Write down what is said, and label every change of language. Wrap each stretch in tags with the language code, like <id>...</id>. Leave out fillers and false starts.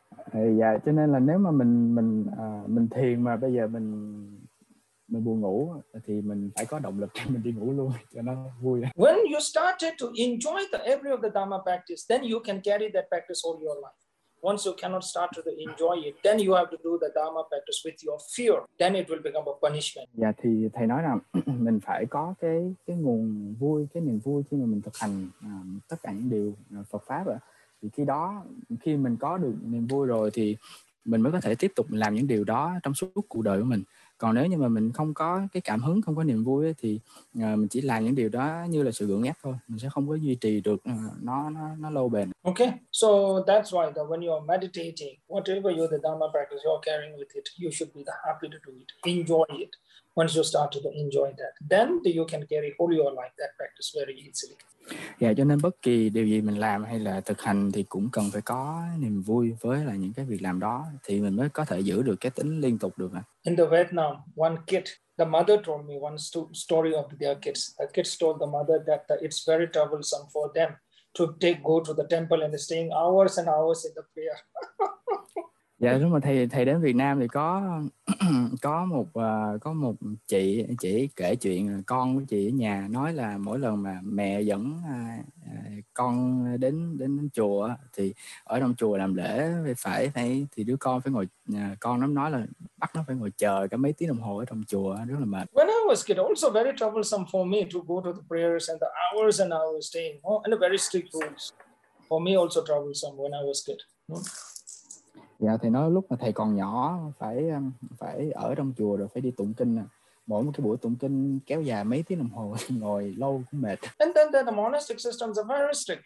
<vi>Dạ, cho nên là nếu mà mình thiền mà bây giờ mình buồn ngủ thì mình phải có động lực để mình đi ngủ luôn cho nó vui.</vi> <en>When you started to enjoy the every of the dharma practice, then you can carry that practice all your life. Once you cannot start to enjoy it, then you have to do the dharma practice with your fear. Then it will become a punishment.</en> <vi>Dạ, thì thầy nói rằng mình phải có cái nguồn vui, cái niềm vui khi mà mình thực hành tất cả những điều Phật pháp ạ. Thì khi đó khi mình có được niềm vui rồi thì mình mới có thể tiếp tục làm những điều đó trong suốt cuộc đời của mình. Còn nếu như mà mình không có cái cảm hứng, không có niềm vui thì mình chỉ làm những điều đó như là sự gượng ép thôi, mình sẽ không có duy trì được nó lâu bền.</vi> <en>Okay, so that's why that when you are meditating, whatever you the dharma practice you are carrying with it, you should be the happy to do it, enjoy it. Once you start to enjoy that, then you can carry all your life that practice very easily.</en> <vi>Dạ, cho nên bất kỳ điều gì mình làm hay là thực hành thì cũng cần phải có niềm vui với là những cái việc làm đó thì mình mới có thể giữ được cái tính liên tục được.</vi> <en>In the Vietnam, one kid, the mother told me one story of their kids. The kids told the mother that it's very troublesome for them to go to the temple and staying hours and hours in the prayer.</en> <vi>Dạ đúng rồi, thầy đến Việt Nam thì có một chị kể chuyện con của chị ở nhà nói là mỗi lần mà mẹ dẫn con đến chùa thì ở trong chùa làm lễ phải thì đứa con phải ngồi, con nó nói là bắt nó phải ngồi chờ cả mấy tiếng đồng hồ ở trong chùa rất là mệt.</vi> <en>When I was kid, also very troublesome for me to go to the prayers and the hours and hours staying and the very strict rules for me, also troublesome when I was kid.</en> <vi>Dạ, thầy nói lúc mà thầy còn nhỏ phải ở trong chùa rồi phải đi tụng kinh. Mỗi một cái buổi tụng kinh kéo dài mấy tiếng đồng hồ, ngồi lâu cũng mệt.</vi> <en>And then the monastic systems are very strict.</en>